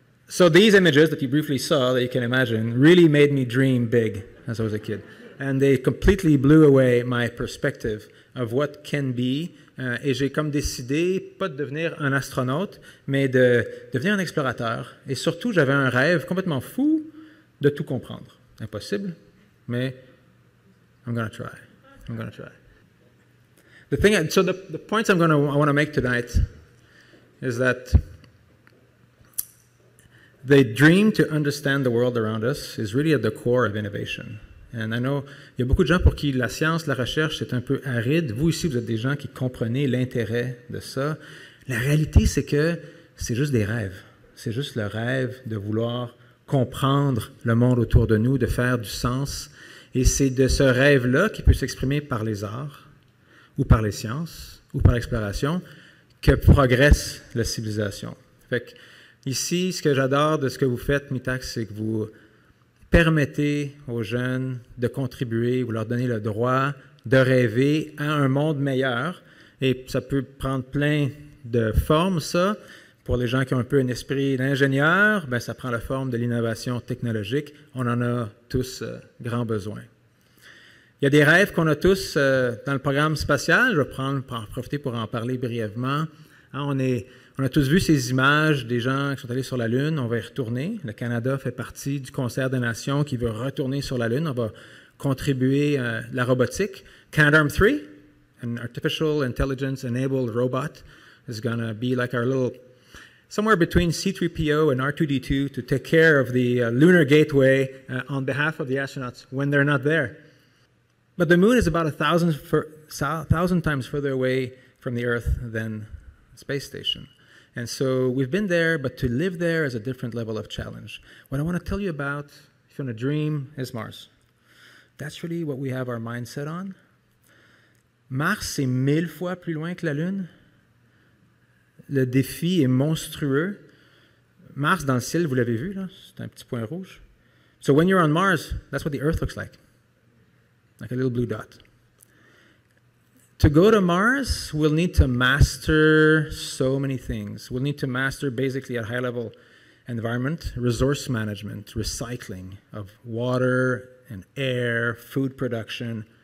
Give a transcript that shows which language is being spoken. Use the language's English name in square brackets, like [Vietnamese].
[English] So these images that you briefly saw, that you can imagine, really made me dream big as I was a kid. And they completely blew away my perspective of what can be. [French] Et j'ai comme décidé, pas de devenir un astronaute, mais de devenir un explorateur. Et surtout, j'avais un rêve complètement fou de tout comprendre. Impossible, mais [English] I'm going to try. The points I want to make tonight is that the dream to understand the world around us is really at the core of innovation. And I know [French] il y a beaucoup de gens pour qui la science, la recherche, c'est un peu aride. Vous ici, vous êtes des gens qui comprenez l'intérêt de ça. La réalité, c'est que c'est juste des rêves. C'est juste le rêve de vouloir comprendre le monde autour de nous, de faire du sens. Et c'est de ce rêve-là qui peut s'exprimer par les arts, ou par les sciences, ou par l'exploration, que progresse la civilisation. Fait que, ici, ce que j'adore de ce que vous faites, MITAX, c'est que vous permettez aux jeunes de contribuer, vous leur donnez le droit de rêver à un monde meilleur. Et ça peut prendre plein de formes, ça. Pour les gens qui ont un peu un esprit d'ingénieur, bien, ça prend la forme de l'innovation technologique. On en a tous grand besoin. Il y a des rêves qu'on a tous dans le programme spatial. Je vais profiter pour en parler brièvement. Hein, on a tous vu ces images des gens qui sont allés sur la Lune. On va y retourner. Le Canada fait partie du Concert des Nations qui veut retourner sur la Lune. On va contribuer à la robotique. [English] Canadarm3, an artificial intelligence-enabled robot, is going to be like our little, somewhere between C-3PO and R2-D2 to take care of the lunar gateway on behalf of the astronauts when they're not there. But the Moon is about 1,000 times further away from the Earth than the space station. And so we've been there, but to live there is a different level of challenge. What I want to tell you about, if you want to dream, is Mars. That's really what we have our mindset on. [French] Mars, c'est 1,000 fois plus loin que la Lune. Le défi est monstrueux. Mars, dans le ciel, vous l'avez vu, là, c'est un petit point rouge. [English] So when you're on Mars, that's what the Earth looks like. Like a little blue dot. To go to Mars, we'll need to master so many things. We'll need to master, basically, at high level environment, resource management, recycling of water and air, food production.